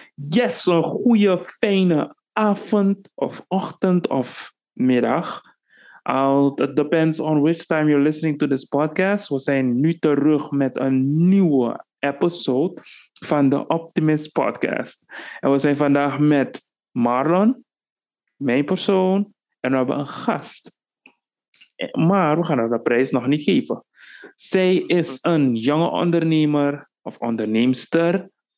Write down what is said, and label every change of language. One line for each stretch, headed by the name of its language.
Dutch: Yes, een goede fijne avond of ochtend of middag.
English: It depends on which time you're listening to this podcast.
Dutch: We zijn nu terug met een nieuwe episode van de Optimist Podcast. En we zijn vandaag met Marlon, mijn persoon, en we hebben een gast. Maar we gaan haar de prijs nog niet geven. Zij is een jonge ondernemer of onderneemster.